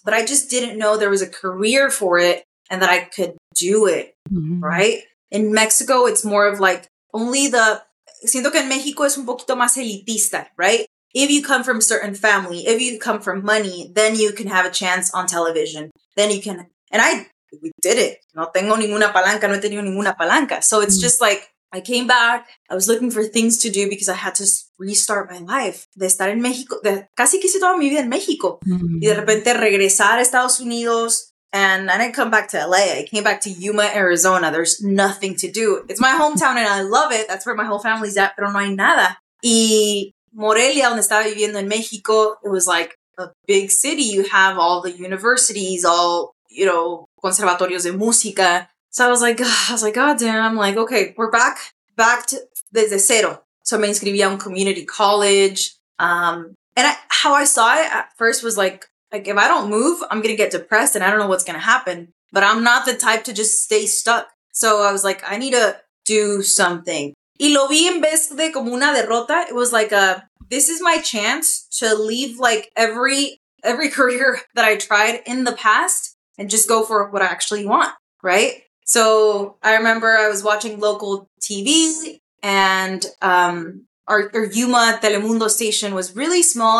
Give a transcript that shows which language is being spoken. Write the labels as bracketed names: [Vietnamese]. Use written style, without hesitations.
[English] But I just didn't know there was a career for it and that I could do it. Right? In Mexico, it's more of like only the, [Spanish] siento que en México es un poquito más elitista, right? [English] If you come from a certain family, if you come from money, then you can have a chance on television. Then you can, and we did it. [Spanish] No tengo ninguna palanca, no he tenido ninguna palanca. [English] So it's just like, I came back, I was looking for things to do because I had to restart my life. [Spanish] De estar en México, casi que hice toda mi vida en México. Y de repente regresar a Estados Unidos [English] and I didn't come back to LA. I came back to Yuma, Arizona. There's nothing to do. It's my hometown and I love it. That's where my whole family's at, [Spanish] pero no hay nada. Y Morelia, donde estaba viviendo en México, [English] it was like a big city. You have all the universities, all, you know, [Spanish] conservatorios de música. [English] So I was like, God damn, like, okay, we're back to [Spanish] desde cero. So me inscribí a un community college. [English] And how I saw it at first was like, if I don't move, I'm going to get depressed and I don't know what's going to happen, but I'm not the type to just stay stuck. So I was like, I need to do something. [Spanish] Y lo vi en vez de como una derrota. [English] It was like, this is my chance to leave like every career that I tried in the past and just go for what I actually want. Right. So I remember I was watching local TV and, our Yuma Telemundo station was really small.